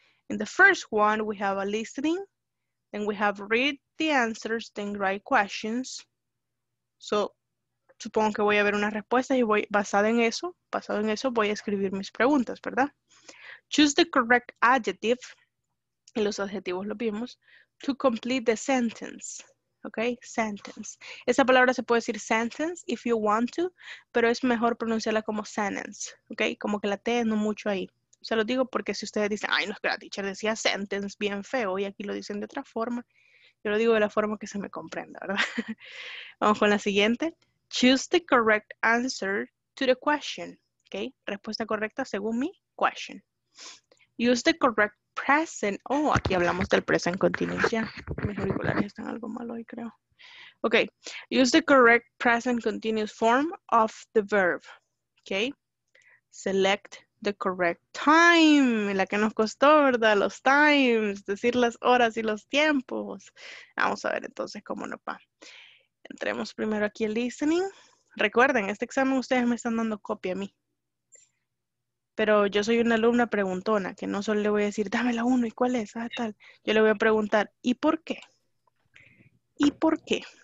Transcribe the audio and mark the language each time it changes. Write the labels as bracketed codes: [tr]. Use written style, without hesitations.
[en] In the first one, we have a listening. Then we have read the answers, then write questions. [es] So, supongo que voy a ver unas respuestas y voy basado en eso voy a escribir mis preguntas, ¿verdad? [en] Choose the correct adjective, [es] y los adjetivos lo vimos, [en] to complete the sentence, ¿ok? Sentence. [es] Esa palabra se puede decir sentence [en] if you want to, [es] pero es mejor pronunciarla como sentence, ¿ok? Como que la T no mucho ahí. Se lo digo porque si ustedes dicen, ay, no, es que la teacher decía sentence bien feo y aquí lo dicen de otra forma, yo lo digo de la forma que se me comprenda, ¿verdad? Vamos con la siguiente. [en] Choose the correct answer to the question, okay? [es] Respuesta correcta según mi [en] question. Use the correct present. [es] Oh, aquí hablamos del present continuous. Ya, mis auriculares están algo mal hoy, creo. [en] Okay, use the correct present continuous form of the verb, okay? Select the correct time, [es] la que nos costó, ¿verdad? Los times, decir las horas y los tiempos. Vamos a ver entonces cómo nos va. Entremos primero aquí en listening. Recuerden, este examen ustedes me están dando copia a mí. Pero yo soy una alumna preguntona, que no solo le voy a decir, dame la uno, ¿y cuál es? Ah, tal. Yo le voy a preguntar, ¿y por qué? ¿Y por qué?